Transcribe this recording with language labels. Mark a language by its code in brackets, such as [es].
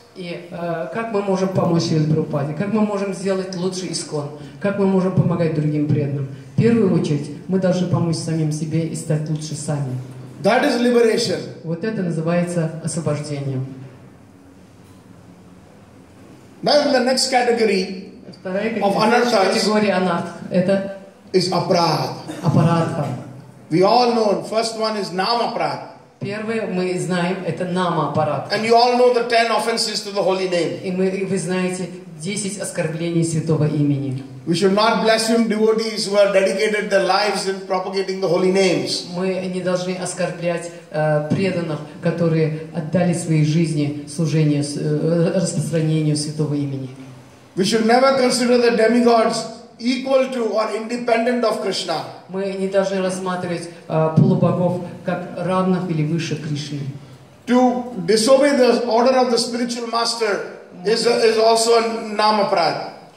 [ru] И как мы можем помочь Шриле Прабхупаде? Как мы можем сделать лучше ИСККОН? Как мы можем помогать другим преданным? В первую очередь, мы должны помочь самим себе и стать лучше сами. [en] That is liberation. [ru] Вот это называется освобождением. [en] Now the next category of anarthas is apradh. Aparadha. We all know, first one is namapradh. [ru] Первое, мы знаем, это нама-аппарат. [en] And you all know the 10 offenses to the holy name. [ru] И вы знаете 10 оскорблений святого имени. [en] We should not blaspheme devotees who have dedicated their lives in propagating the holy names. [ru] Мы не должны оскорблять преданных, которые отдали свои жизни служению, распространению святого имени. [en] We should never consider the demigods equal to or independent of Krishna. [ru] Мы не должны рассматривать полубогов как равных или выше Кришны. [en] To disobey the order of the spiritual master is also a namaprad.